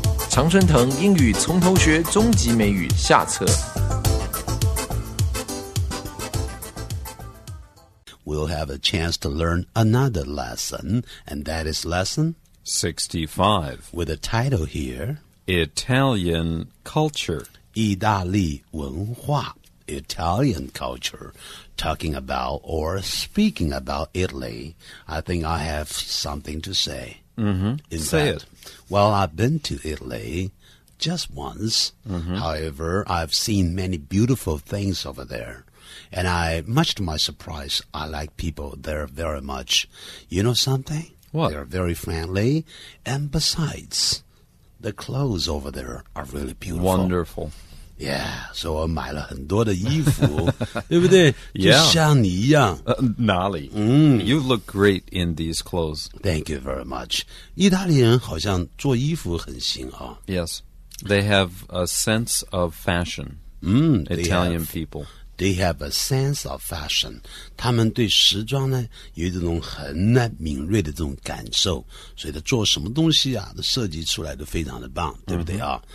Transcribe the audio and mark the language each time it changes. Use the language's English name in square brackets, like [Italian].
[Chinese] 常春藤英语从头学终极美语下册。 [English] We'll have a chance to learn another lesson, and that is lesson 65. With a title here, Italian Culture. [Chinese] 意大利文化 [English] Italian Culture. Talking about or speaking about Italy, I think I have something to say. Mm-hmm. Say it. Well, I've been to Italy just once. Mm-hmm. However, I've seen many beautiful things over there. And I, much to my surprise, I like people there very much. You know something? What? They're very friendly. And besides, the clothes over there are really beautiful. Wonderful. Yeah, so [Chinese] 我买了很多的衣服，对不对？ [English] Yeah. [Chinese] 就像你一样。哪里？ [English] You look great in these clothes. Thank you very much. [Chinese] 意大利人好像做衣服很行啊。 [English] Yes, they have a sense of fashion, Italian people. They have a sense of fashion. [Chinese] 他们对时装呢有这种很敏锐的这种感受，所以他做什么东西啊，他设计出来都非常的棒，对不对啊？